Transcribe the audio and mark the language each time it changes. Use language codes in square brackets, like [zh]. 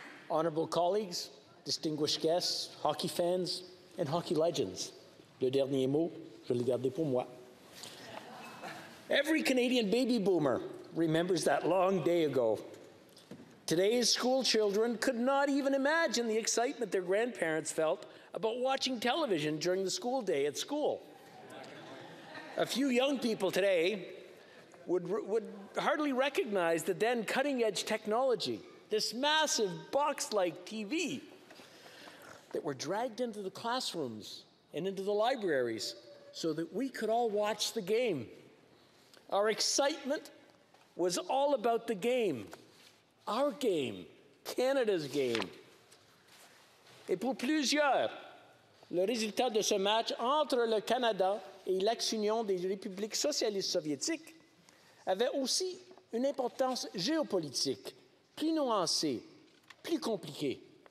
[en] Honorable colleagues, distinguished guests, hockey fans, and hockey legends. [fr] Le dernier mot, je le garde pour moi. [en] Every Canadian baby boomer remembers that long day ago. Today's school children could not even imagine the excitement their grandparents felt about watching television during the school day at school. A few young people today would hardly recognize the then cutting-edge technology, this massive box-like TV that were dragged into the classrooms and into the libraries so that we could all watch the game. Our excitement was all about the game, our game, Canada's game. [fr] Et pour plusieurs, le résultat de ce match entre le Canada et l'ex-Union des Républiques Socialistes Soviétiques avait aussi une importance géopolitique, plus nuancée, plus compliquée.